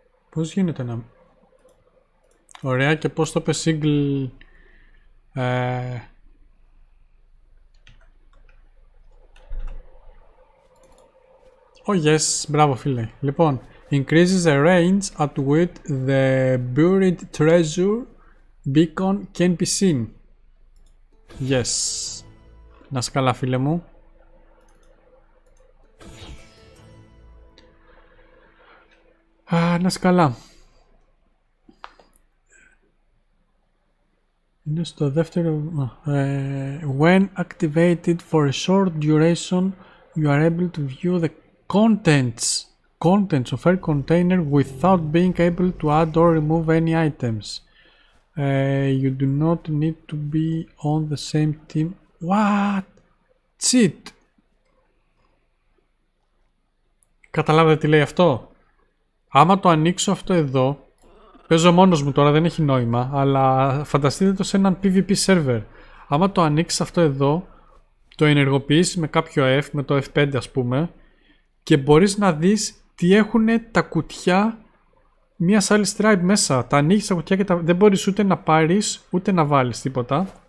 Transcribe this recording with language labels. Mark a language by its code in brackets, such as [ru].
[el] Πώς γίνεται να... Ωραία, και πώς το είπε single... [en] Oh yes, [el] μπράβο φίλε. [en] Λοιπόν, increases the range at which the buried treasure beacon can be seen. [el] Yes. Να σε καλά, φίλε μου. Να σκαλά. Είναι στο δεύτερο. [en] When activated for a short duration, you are able to view the contents of a container without being able to add or remove any items. You do not need to be on the same team. What? Cheat. [el] Καταλάβατε τι λέει αυτό. Άμα το ανοίξω αυτό εδώ, παίζω μόνος μου τώρα, δεν έχει νόημα, αλλά φανταστείτε το σε έναν PvP server. Άμα το ανοίξεις αυτό εδώ, το ενεργοποιείς με κάποιο F, με το F5 ας πούμε, και μπορείς να δεις τι έχουν τα κουτιά μιας άλλης tribe μέσα. Τα ανοίγεις τα κουτιά και δεν μπορείς ούτε να πάρεις, ούτε να βάλεις τίποτα.